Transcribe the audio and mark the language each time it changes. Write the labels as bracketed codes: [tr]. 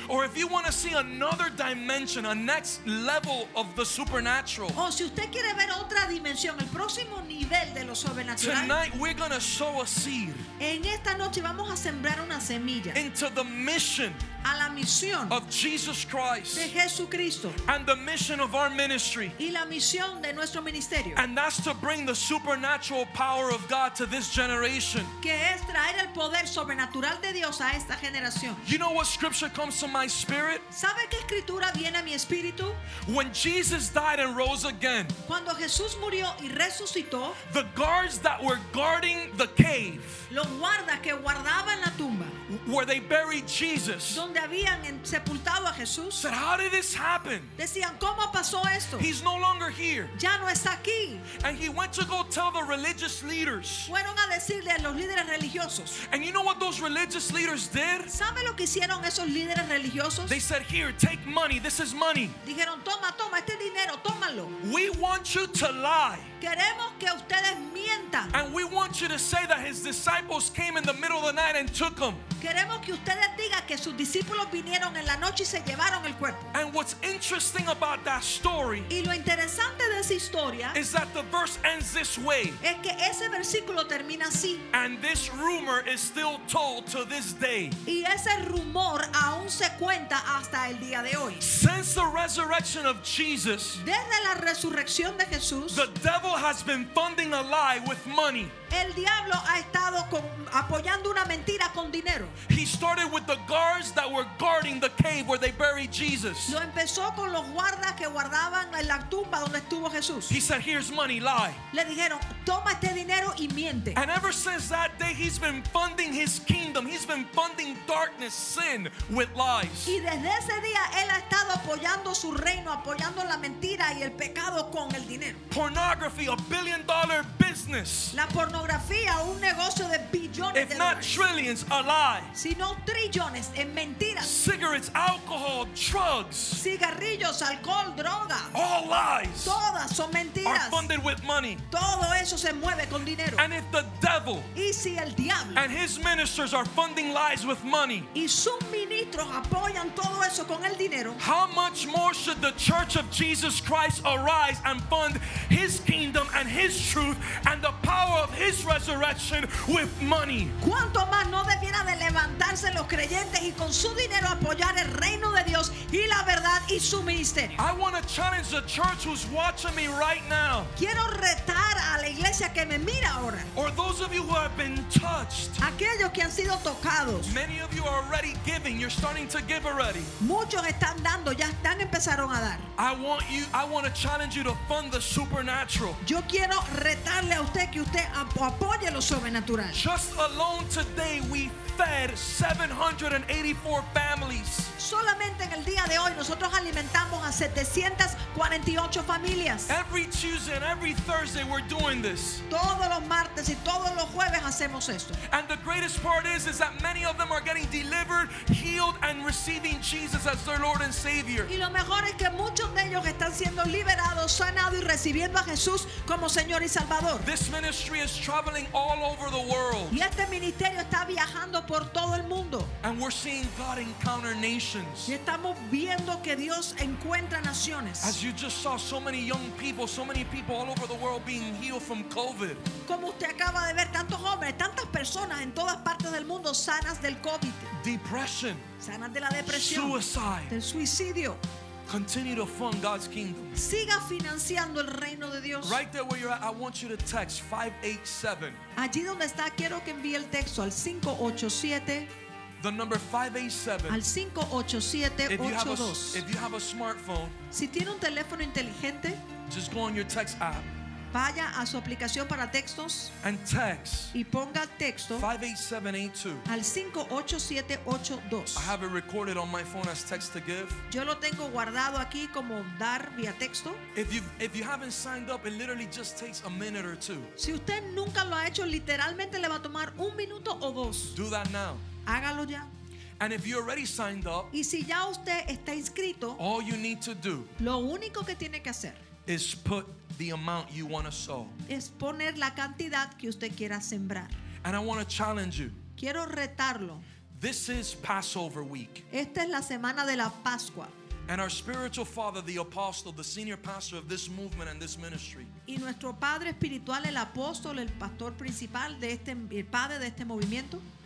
[en] Or if you want to see another dimension, a next level of the supernatural. [es] O si usted quiere ver otra dimensión, el próximo nivel de lo sobrenatural. [en] Tonight we're going to sow a seed. [es] En esta noche vamos a sembrar una semilla. [en] Into the mission. [es] A la misión [en] of Jesus Christ. [es] De Jesucristo. [en] And the mission of our ministry. [es] Y la misión de nuestro ministerio. [en] And that's to bring the supernatural power of God to this generation. [es] Que es traer el poder sobrenatural de Dios a esta generación. [en] You know what scripture comes to my spirit? [es] ¿Sabe qué escritura viene a mi espíritu? [en] When Jesus died and rose again. [es] Cuando Jesús murió y resucitó. [en] The guards that were guarding the cave. [es] Los guardas que guardaban la tumba. [en] Where they buried Jesus. [es] Donde habían sepultado a Jesús. [en] Said, how did this happen? [es] Decían, ¿cómo pasó esto? [en] He's no longer here. [es] Ya no está aquí. [en] And he went to go tell the religious leaders. [es] Fueron a decirle a los líderes religiosos. [en] And you know what those religious leaders did? [es] ¿Sabe lo que hicieron esos líderes religiosos? [en] They said, here, take money. This is money. [es] Dijeron, toma, toma, este dinero, tómalo. [en] We want you to lie. [es] Queremos que ustedes mientan. [en] And we want you to say that his disciples came in the middle of the night and took him. [es] Queremos que ustedes digan que sus discípulos vinieron en la noche y se llevaron el cuerpo. [en] And what's interesting about that story? [es] Y lo interesante de esa historia [en] is that the verse ends this way. [es] Es que ese versículo termina así. [en] And this rumor is still told to this day. [es] Y ese rumor aún se cuenta hasta el día de hoy. [en] Since the resurrection of Jesus, [es] desde la resurrección de Jesús, [en] the devil has been funding a lie with money. [es] El diablo ha estado apoyando una mentira con dinero. [en] He started with the guards that were guarding the cave where they buried Jesus. [es] Lo empezó con los guardas que guardaban en la tumba donde estuvo Jesús. [en] He said, here's money, lie. [es] Le dijeron, toma este dinero y miente. [en] And ever since that day, he's been funding his kingdom. He's been funding darkness, sin, with lies. [es] Y desde ese día, él ha estado apoyando su reino, apoyando la mentira y el pecado con el dinero. [en] Pornography, $1 billion business. [es] La pornografía, un negocio de billones [en] if [es] de [en] not [es] dólares. [en] Trillions, a lie. [es] Si no trillones, en mentiras. [en] Cigarettes, alcohol, drugs. [es] Cigarrillos, alcohol, droga. [en] All lies. [es] Todas son mentiras. [en] Are funded with money. [es] Todo eso se mueve con dinero. [en] And if the devil. [es] Y si el diablo. [en] And his ministers are funding lies with money. [es] Y sus ministros apoyan todo eso con el dinero. [en] How much more should the Church of Jesus Christ arise and fund his kingdom and his truth and the power of his resurrection with money? [es] ¿Cuánto más no debiera de levantarse los creyentes y con su dinero apoyar el reino de Dios y la verdad y su ministerio? [en] I want to challenge the church who's watching me right now. [es] Quiero retar a la iglesia que me mira ahora. [en] Or those of you who have been touched. [es] Aquellos que han sido tocados. [en] Many of you are already giving. You're starting to give already. [es] Muchos están dando, ya están empezaron a dar. [en] I want to challenge you to fund the supernatural. [es] Yo quiero retarle a usted que usted apoye lo sobrenatural. [en] Just alone today we fed 784 families. [es] Solamente en el día de hoy nosotros alimentamos a 748 familias. [en] Every Tuesday and every Thursday we're doing this. [es] Todos los martes y todos los jueves hacemos esto. [en] And the greatest part is that many of them are getting delivered, healed, and receiving Jesus as their Lord and Savior. [es] Y lo mejor es que muchos de ellos están siendo liberados, sanados y recibiendo a Jesús como Señor y Salvador. [en] This ministry is traveling all over the world. [es] Y este ministerio está viajando por todo el mundo. [en] And we're seeing God encounter nations. [es] Y estamos viendo que Dios encuentra naciones. [en] As you just saw so many young people, so many people all over the world being healed from COVID. [es] Como usted acaba de ver, tantos jóvenes, tantas personas en todas partes del mundo sanas del COVID. [en] Depression. [es] Sanas de la depresión. [en] Suicide. [es] Del suicidio. [en] Continue to fund God's kingdom. [es] Siga financiando el reino de Dios. [en] Right there where you're at, I want you to text 587. [es] Allí donde está, quiero que envíe el texto al 587. [en] The number 587. [es] Al 587-82. [en] If you have a smartphone, [es] si tiene un teléfono inteligente, [en] just go on your text app. [es] Vaya a su aplicación para textos [en] and text. [es] Y ponga texto [en] 58782 [es] al 58782. [en] I have it recorded on my phone as text to give. [es] Yo lo tengo guardado aquí como dar vía texto. [en] If you haven't signed up, it literally just takes a minute or two. [es] Si usted nunca lo ha hecho, literalmente le va a tomar un minuto o dos. [en] Do that now. [es] Hágalo ya. [en] And if you already signed up, [es] y si ya usted está inscrito, [en] all you need to do, [es] lo único que tiene que hacer, [en] is put the amount you want to sow. [es] Es poner la cantidad que usted quiera sembrar. [en] And I want to challenge you. [es] Quiero retarlo. [en] This is Passover week. [es] Esta es la semana de la Pascua. [en] And our spiritual father, the apostle, the senior pastor of this movement and this ministry. [es] Y nuestro padre espiritual, el apóstol, el pastor principal de este, el padre de este movimiento,